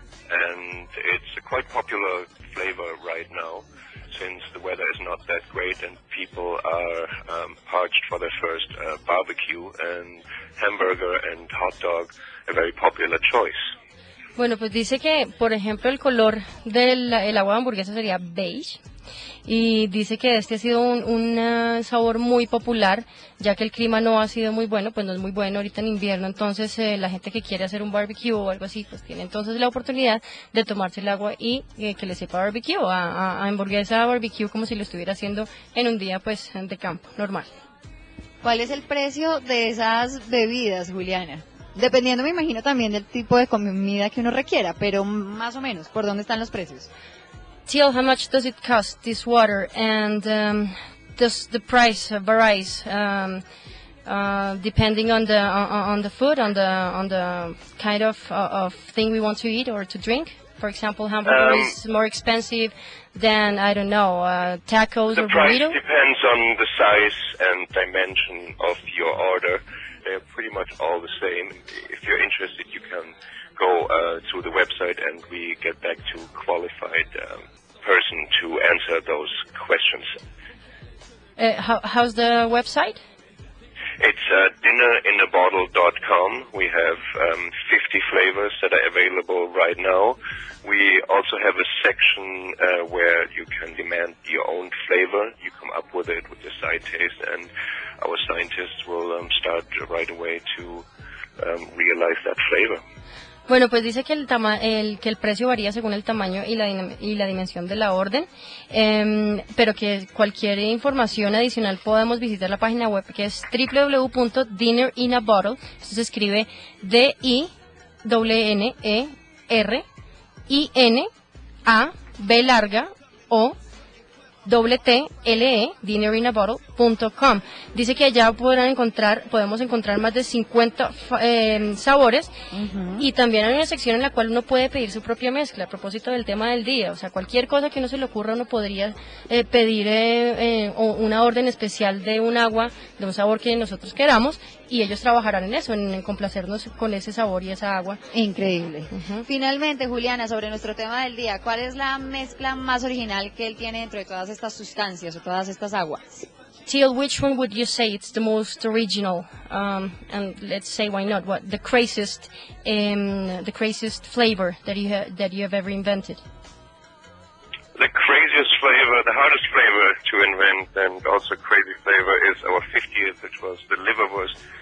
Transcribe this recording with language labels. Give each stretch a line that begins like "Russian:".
English: And it's a quite popular flavor right now, since the weather is not that great and people are parched for their first barbecue, and hamburger and hot dog, a very popular choice.
Spanish: Bueno, pues dice que, por ejemplo, el color del el agua de hamburguesa sería beige, y dice que este ha sido un sabor muy popular, ya que el clima no ha sido muy bueno, pues no es muy bueno ahorita en invierno, entonces la gente que quiere hacer un barbecue o algo así, pues tiene entonces la oportunidad de tomarse el agua y que le sepa barbecue, a hamburguesa a barbecue, como si lo estuviera haciendo en un día, pues, de campo, normal. ¿Cuál es el precio de esas bebidas, Juliana? Dependiendo, me imagino, también del tipo de comida que uno requiera, pero más o menos, ¿por dónde están los precios?
English: Till, how much does it cost, this water? And does the price varies depending on the food, on the kind of thing we want to eat or to drink? For example, hamburger is more expensive than, I don't know, tacos or burritos? The price depends on the size and dimension of your order. They're pretty much all the same. If you're interested, you can go to the website and we get back to qualified person to answer those questions. How's the website? It's dinnerinabottle.com. We have 50 flavors that are available right now. We also have a section where you can demand your own flavor. You come up with it with your side taste, and our scientists will start right away to realize that flavor.
Spanish: Bueno, pues dice que el precio varía según el tamaño y la dimensión de la orden, pero que cualquier información adicional podemos visitar la página web, que es www.dinnerinabottle, esto se escribe DINNERINABOTTLE, dinnerinabottle.com. Dice que allá podemos encontrar más de 50 sabores, uh-huh. Y también hay una sección en la cual uno puede pedir su propia mezcla a propósito del tema del día. O sea, cualquier cosa que uno se le ocurra, uno podría pedir una orden especial de un agua, de un sabor que nosotros queramos, y ellos trabajarán en eso, en complacernos con ese sabor y esa agua. Increíble. Uh-huh. Finalmente, Juliana, sobre nuestro tema del día, ¿cuál es la mezcla más original que él tiene dentro de todas estas sustancias o todas estas aguas?
English: Till, which one would you say it's the most original? And let's say, why not? What the craziest flavor that you have ever invented? The craziest flavor, the hardest flavor to invent, and also crazy flavor is our 50th, which was the liverwurst.